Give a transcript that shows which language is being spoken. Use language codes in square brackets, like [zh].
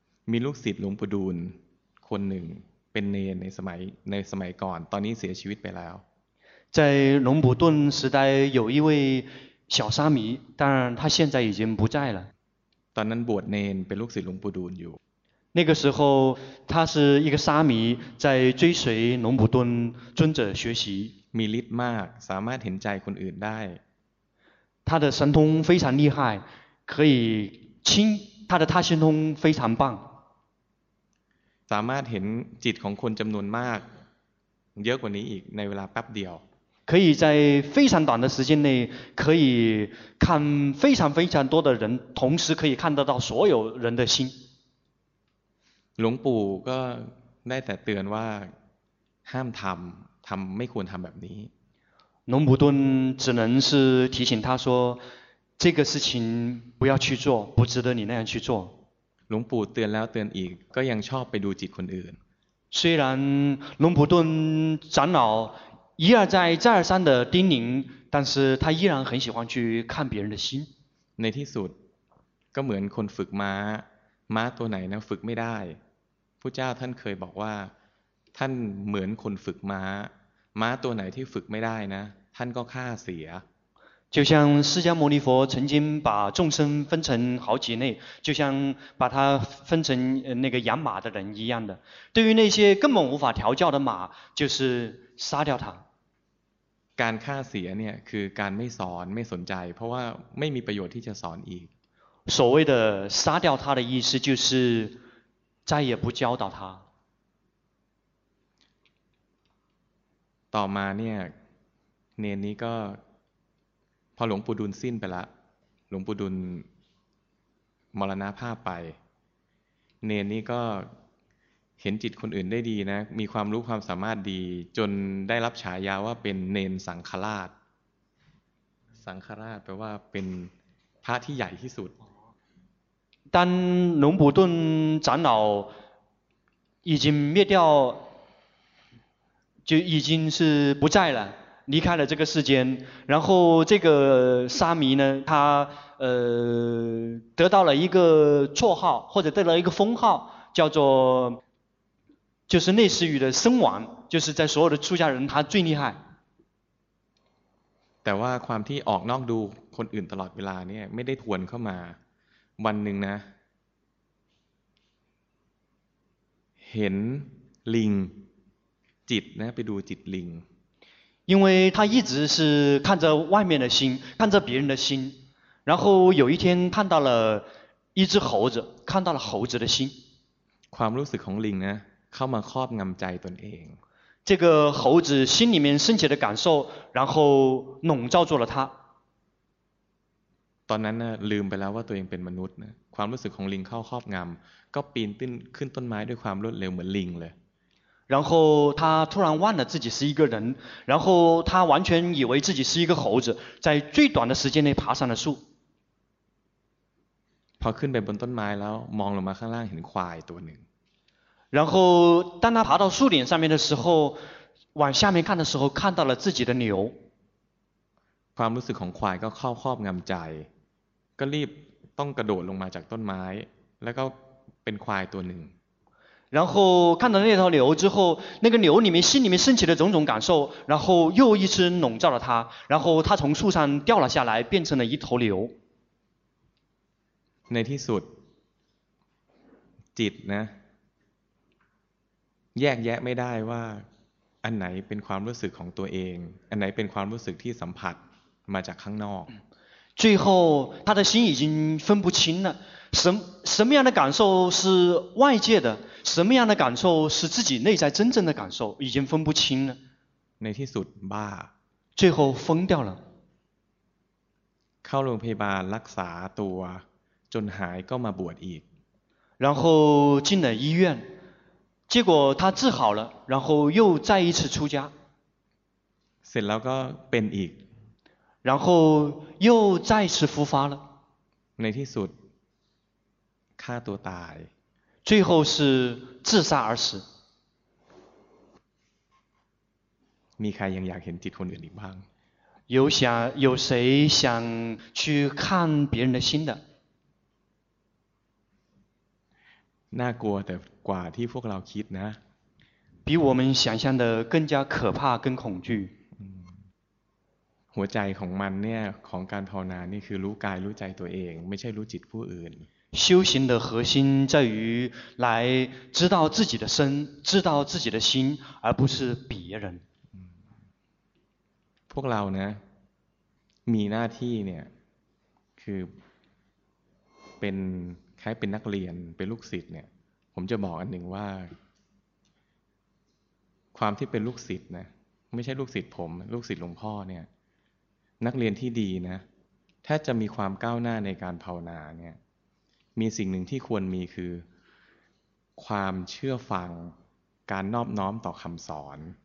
[th] มีลูกศิษย์หลวงปู่ดูลคนหนึ่งเป็นเนรในสมัยก่อนตอนนี้เสียชีวิตไปแล้ว [zh] 在龙普顿时代有一位小沙弥当然他现在已经不在了 [th] ตอนนั้นบวชเนนเป็นลูกศิษย์หลวงปู่ดูลอยู่ [zh] 那个时候他是一个沙弥在追随龙普顿尊者学习 [th] มีฤทธิ์มากสามารถเห็นใจคนอื่นได้ [zh] 他的神通非常厉害可以清他的他心通非常棒 [th] สามารถเห็นจิตของคนจำนวนมากเยอะกว่านี้อีกในเวลาแป๊บเดียว [zh] 可以在非常短的时间内可以看非常非常多的人同时可以看得到所有人的心 [th] หลวงปู่ก็ได้แต่เตือนว่าห้ามทำไม่ควรทำแบบนี้ [zh] หลวงปู่ดุล只能是提醒他说这个事情不要去做不值得你那样去做 [th] หลวงปู่เตือนแล้วเตือนอีกก็ยังชอบไปดูจิตคนอื่น [zh] 虽然หลวงปู่ดุล长老一而再再而三的叮咛但是他依然很喜欢去看别人的心 [th] ในที่สุดก็เหมือนคนฝึกม้าม้าตัวไหนนะฝึกไม่ได้พุทธเจ้าท่านเคยบอกว่าท่านเหมือนคนฝึกม้าม้าตัวไหนที่ฝึกไม่ได้นะท่านก็ฆ่าเสีย [zh] 就像释迦牟尼佛曾经把众生分成好几类就像把它分成那个养马的人一样的对于那些根本无法调教的马就是杀掉它 [th] การฆ่าเสียเนี่ยคือการไม่สอนไม่สนใจเพราะว่าไม่มีประโยชน์ที่จะสอนอีก [zh] 所谓的杀掉它的意思就是再也不教导它 [th] ต่อมาเนี่ยเนนนี้ก็พอหลวงปู่ดุลสิ้นไปแล้วหลวงปู่ดุลมรณภาพไปเนนนี่ก็เห็นจิตคนอื่นได้ดีนะมีความรู้ความสามารถดีจนได้รับฉายาว่าเป็นเนนสังฆราชสังฆราชแปลว่าเป็นพระที่ใหญ่ที่สุด [zh] 当龙普顿长老已经灭掉，就已经是不在了，离开了这个世间。然后这个沙弥呢，他得到了一个绰号，或者得了一个封号，叫做就是类似于的僧王，就是在所有的出家人他最厉害。 [th] แต่ว่าความที่ออกนอกดูคนอื่นตลอดเวลาเนี่ยไม่ได้ทวนเข้ามาวันหนึ่งนะเห็นลิงจิตนะไปดูจิตลิง [zh] 因为他一直是看着外面的心看着别人的心然后有一天看到了一只猴子看到了猴子的心 [th] ความรู้สึกของลิงนะเข้ามาครอบงำใจตนเอง [zh] 这个猴子心里面升起的感受然后笼罩住了他 [th] ตอนนั้นนะลืมไปแล้วว่าตัวเองเป็นมนุษย์นะความรู้สึกของลิงเข้าครอบงำก็ปีนขึ้นต้นไม้ด้วยความรวดเร็วเหมือนลิงเลย [zh] 然后他突然忘了自己是一个人然后他完全以为自己是一个猴子在最短的时间内爬上了树 [th] พอขึ้นไปบนต้นไม้แล้วมองลงมาข้างล่างเห็นควายตัวหนึ่ง [zh] 然后当他爬到树顶上面的时候往下面看的时候看到了自己的牛 [th] ความรู้สึกของควายก็เข้าครอบงำใจก็รีบต้องกระโดดลงมาจากต้นไม้แล้วก็เป็นควายตัวหนึ่ง [zh] 然后看到那条牛之后那个牛里面心里面升起的种种感受然后又一只笼罩了它然后它从树上掉了下来变成了一头牛 [th] ในที่สุดจิตนะแยกแยะไม่ได้ว่าอันไหนเป็นความรู้สึกของตัวเองอันไหนเป็นความรู้สึกที่สัมผัสมาจากข้างนอก [zh] 最后他的心已经分不清了什么样的感受是外界的什么样的感受是自己内在真正的感受已经分不清了 [th] ในที่สุดบ้า [zh] 最后疯掉了 [th] เข้าโรงพยาบาลรักษาตัวจนหายก็มาบวชอีก [zh] 然后进了医院结果他治好了然后又再一次出家 [th] เสร็จแล้วก็เป็นอีก [zh] 然后又再次复发了 [th] ในที่สุดฆ่าตัวตาย [zh] 最后是自杀而死 [th] มีใครยังอยากเห็นจิตคนอื่นอีกบ้าง [zh] 有谁想去看别人的心的 [th] น่ากลัวแต่กว่าที่พวกเราคิดนะ [zh] 比我们想象的更加可怕更恐惧 [th] หัวใจของมันเนี่ยของการภาวนานี่คือรู้กายรู้ใจตัวเองไม่ใช่รู้จิตผู้อื่น [zh] 修行的核心在于来知道自己的身知道自己的心而不是别人 [th] พวกเรานะมีหน้าที่เนี่ยคือเป็นคล้ายเป็นนักเรียนเป็นลูกศิษย์เนี่ยผมจะบอกอันหนึ่งว่าความที่เป็นลูกศิษย์นะไม่ใช่ลูกศิษย์ผมลูกศิษย์หลวงพ่อเนี่ยนักเรียนที่ดีนะถ้าจะมีความก้าวหน้าในการภาวนาเนี่ยมีสิ่งหนึ่งที่ควรมีคือความเชื่อฟังการนอบน้อมต่อคำสอน